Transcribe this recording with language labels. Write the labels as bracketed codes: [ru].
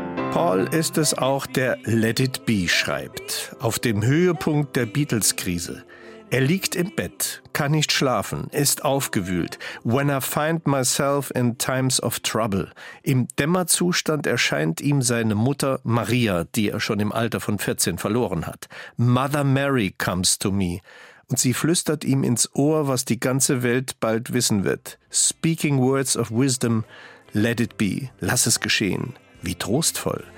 [de] Paul ist es auch, der Let It Be schreibt, auf dem Höhepunkt der Beatles-Krise. Er liegt im Bett, kann nicht schlafen, ist aufgewühlt. [en] When I find myself in times of trouble. [de] Im Dämmerzustand erscheint ihm seine Mutter Maria, die er schon im Alter von 14 verloren hat. [en] Mother Mary comes to me. [de] Und sie flüstert ihm ins Ohr, was die ganze Welt bald wissen wird. [en] Speaking words of wisdom, let it be, [de] lass es geschehen. Wie trostvoll.